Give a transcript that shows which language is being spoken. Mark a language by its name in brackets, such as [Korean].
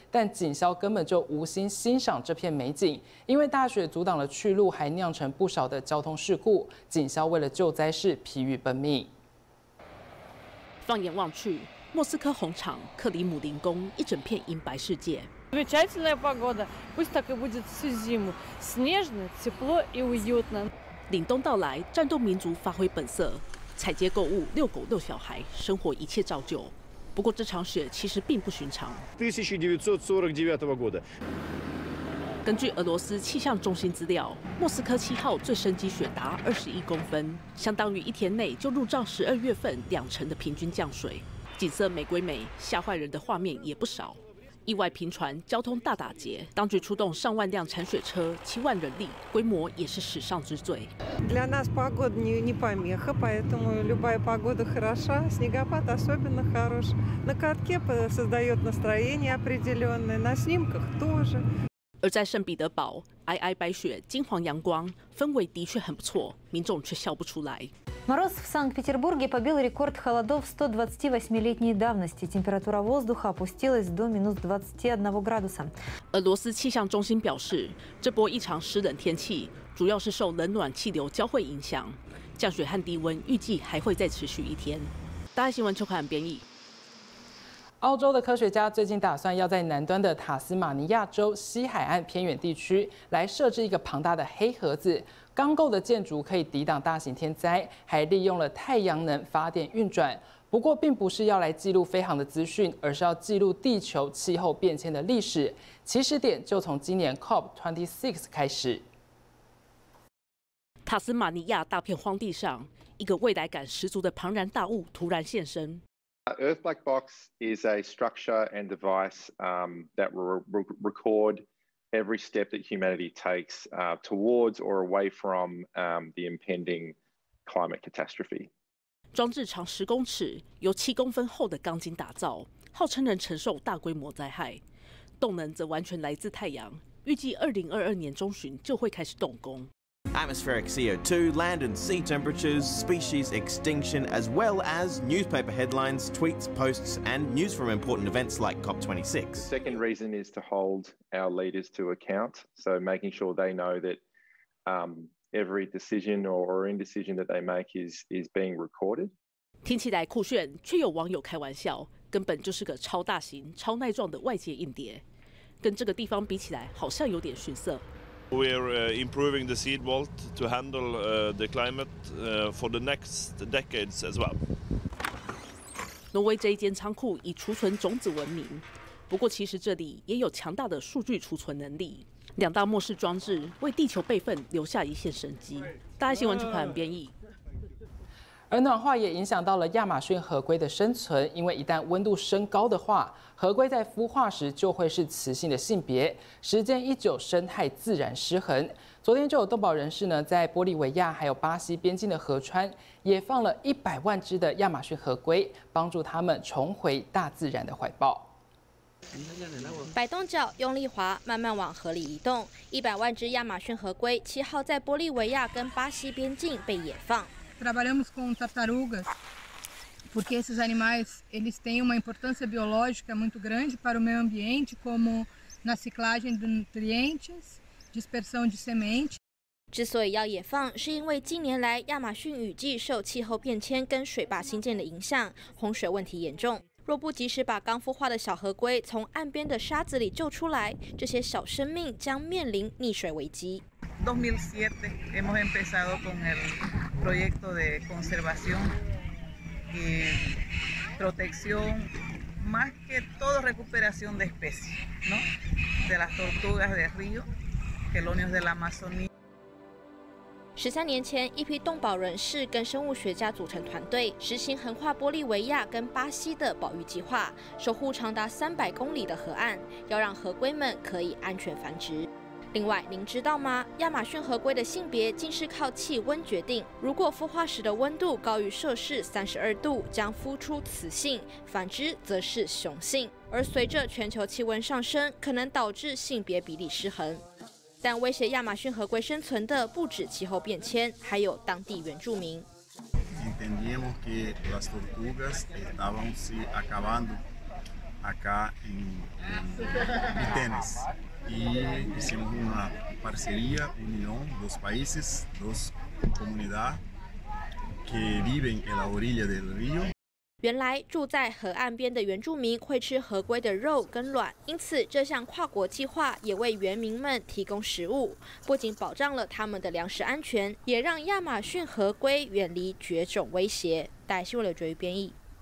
[Chinese] 但警消根本就无心欣赏这片美景，因为大雪阻挡了去路，还酿成不少的交通事故。警消为了救灾事疲于奔命。放眼望去，莫斯科红场、克里姆林宫一整片银白世界。 [Russian] Замечательная погода, пусть так и будет всю зиму. Снежно, тепло и уютно. [Chinese] 凛冬到来，战斗民族发挥本色，采街购物、遛狗、遛小孩，生活一切照旧。不过这场雪其实并不寻常。 [Russian] 1949года. [Chinese] 根据俄罗斯气象中心资料，莫斯科7号最深积雪达21公分，相当于一天内就入账12月份两成的平均降水。景色美归美，吓坏人的画面也不少。意外频传，交通大打劫，当局出动30000辆铲雪车，7万人力，规模也是史上之最。 [Russian] Для нас погода не помеха, поэтому любая погода хороша, снегопад особенно хорош. На катке создает настроение определенное, на снимках тоже. [Chinese] 而在圣彼得堡，皑皑白雪，金黄阳光，氛围的确很不错，民众却笑不出来。 [Russian] Мороз в Санкт-Петербурге побил рекорд холодов 128-летней давности. Температура воздуха опустилась до -21 градуса. [Chinese] 俄罗斯气象中心表示，这波异常湿冷天气主要是受冷暖气流交汇影响，降雪和低温预计还会再持续一天。大新闻邱凯编译。澳洲的科学家最近打算要在南端的塔斯马尼亚州西海岸偏远地区来设置一个庞大的黑盒子。钢构的建筑可以抵挡大型天灾，还利用了太阳能发电运转。不过并不是要来记录飞航的资讯，而是要记录地球气候变迁的历史。起始点就从今年 COP26 开始。塔斯马尼亚大片荒地上，一个未来感十足的庞然大物突然现身。 [English] Earth Black Box is a structure and device that record every step that humanity takes towards or away from the impending climate catastrophe. [Chinese] 装置长10公尺，由7公分厚的钢筋打造，号称能承受大规模灾害。动能则完全来自太阳，预计2022年中旬就会开始动工。 [English] Atmospheric CO2, land and sea temperatures, species extinction, as well as newspaper headlines, tweets, posts, and news from important events like COP26. The second reason is to hold our leaders to account, so making sure they know that every decision or indecision that they make is being recorded. [Chinese] 听起来酷炫，却有网友开玩笑，根本就是个超大型、超耐撞的外界硬碟，跟这个地方比起来，好像有点逊色。 [English] We are improving the seed vault to handle the climate for the next decades as well. [Chinese] 挪威这一间仓库以储存种子闻名，不过其实这里也有强大的数据储存能力。两大末世装置为地球备份留下一线生机。大爱新闻主播编译。而暖化也影响到了亚马逊河龟的生存，因为一旦温度升高的话，河龟在孵化时就会是雌性的性别，时间一久，生态自然失衡。昨天就有动保人士呢，在玻利维亚还有巴西边境的河川，也放了100万只的亚马逊河龟，帮助他们重回大自然的怀抱。摆动脚，用力滑，慢慢往河里移动。 100万只亚马逊河龟7号在玻利维亚跟巴西边境被野放。 [Portuguese] Trabalhamos com tartarugas, porque esses animais eles têm uma importância biológica muito grande para o meio ambiente, como na ciclagem de nutrientes, dispersão de semente. [Chinese] 之所以要野放，是因为近年来亚马逊雨季受气候变迁跟水坝新建的影响，洪水问题严重。若不及时把刚孵化的小河龟从岸边的沙子里救出来，这些小生命将面临溺水危机。 [Spanish] 2007 hemos empezado con el proyecto de conservación y protección, más que todo recuperación de especies, ¿no? De las tortugas de río, quelonios de la Amazonía. [Chinese] 13年前，一批动保人士跟生物学家组成团队，实行横跨玻利维亚跟巴西的保育计划，守护长达300公里的河岸，要让河龟们可以安全繁殖。另外，您知道吗？亚马逊河龟的性别竟是靠气温决定。如果孵化时的温度高于摄氏32度，将孵出雌性；反之，则是雄性。而随着全球气温上升，可能导致性别比例失衡。但威胁亚马逊河龟生存的不止气候变迁，还有当地原住民。 [Spanish] sabíamos que las tortugas estaban se acabando acá en Tenes. Y hicimos una parcería, unión, dos países, dos comunidades que viven en la orilla del río. [Chinese] 原来住在河岸边的原住民会吃河龟的肉跟卵，因此这项跨国计划也为原民们提供食物，不仅保障了他们的粮食安全，也让亚马逊河龟远离绝种威胁。带新闻刘卓瑜编译。